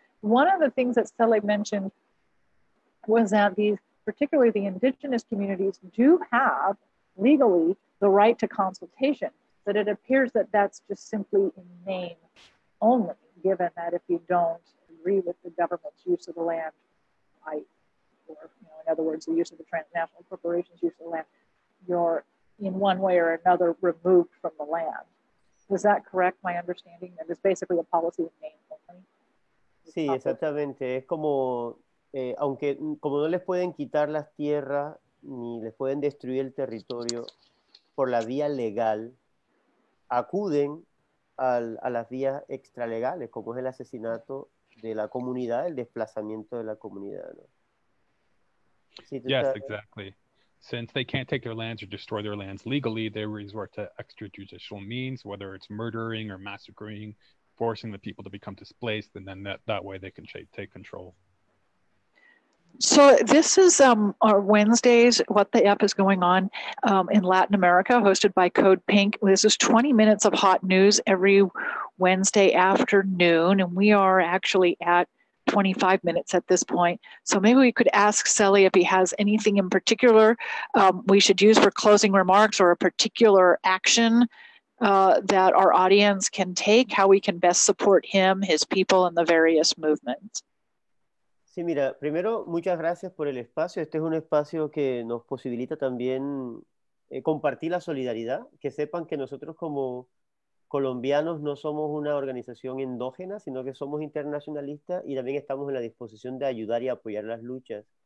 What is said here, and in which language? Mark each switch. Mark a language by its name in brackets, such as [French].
[English] One of the things that Sally mentioned was that these, particularly the indigenous communities, do have legally the right to consultation, but it appears that that's just simply in name only, given that if you don't agree with the government's use of the land, I for. You know, in other words, the use of the transnational corporations use of the land, you're in one way or another removed from the land. Is that correct, my understanding? That it's basically a policy of name only? [Spanish] Sí, exactamente. Es como, aunque como no les pueden quitar las tierras ni les pueden destruir el territorio por la vía legal, acuden a las vías extralegales, como es el asesinato de la comunidad, el desplazamiento de la comunidad, ¿no? Si tú [English] yes, [Spanish] sabes, [English] exactly. Since they can't take their lands or destroy their lands legally, they resort to extrajudicial means, whether it's murdering or massacring, forcing the people to become displaced, and then that way they can take control. So this is our Wednesday's What the F is Going On in Latin America, hosted by Code Pink. This is 20 minutes of hot news every Wednesday afternoon, and we are actually at 25 minutes at this point. So maybe we could ask Sally if he has anything in particular we should use for closing remarks, or a particular action that our audience can take, how we can best support him, his people, and the various movements. [Spanish] Sí, mira, primero, muchas gracias por el espacio. Este es un espacio que nos posibilita también compartir la solidaridad. Que sepan que nosotros como colombianos no somos una organización endógena, sino que somos internacionalistas y también estamos en la disposición de ayudar y apoyar las luchas.